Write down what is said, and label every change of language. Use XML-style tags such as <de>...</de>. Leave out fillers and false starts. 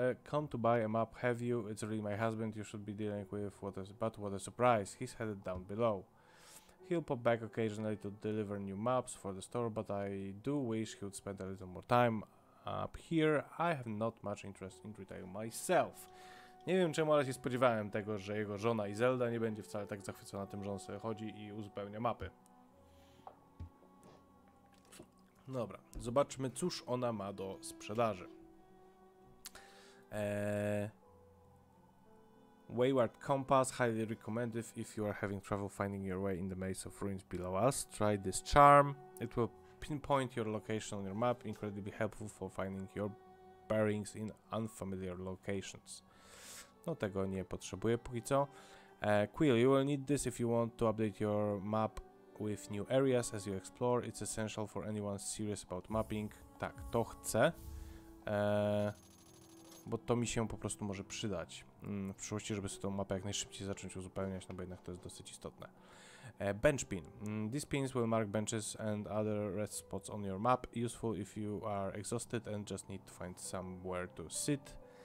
<en>Come to buy a map, have you? It's really my husband you should be dealing with. What a surprise. He's headed down below. He'll pop back occasionally to deliver new maps for the store, but I do wish he would spend a little more time up here. I have not much interest in retail myself.</en> <pl>Nie wiem czemu, ale się spodziewałem tego, że jego żona i Zelda nie będzie wcale tak zachwycona tym, że on sobie chodzi i uzupełnia mapy. Dobra, zobaczmy, cóż ona ma do sprzedaży.</pl> <en>Wayward Compass, highly recommended if you are having trouble finding your way in the maze of ruins below us. Try this charm. It will pinpoint your location on your map, incredibly helpful for finding your bearings in unfamiliar locations.</en> <pl>No tego nie potrzebuję póki co.</pl> <en>Quill, you will need this if you want to update your map with new areas as you explore. It's essential for anyone serious about mapping.</en> <pl>Tak, to chcę. Bo to mi się po prostu może przydać w przyszłości, żeby sobie tą mapę jak najszybciej zacząć uzupełniać, no bo jednak to jest dosyć istotne.</pl> <en>Bench pin. These pins will mark benches and other rest spots on your map. Useful if you are exhausted and just need to find somewhere to sit.</en>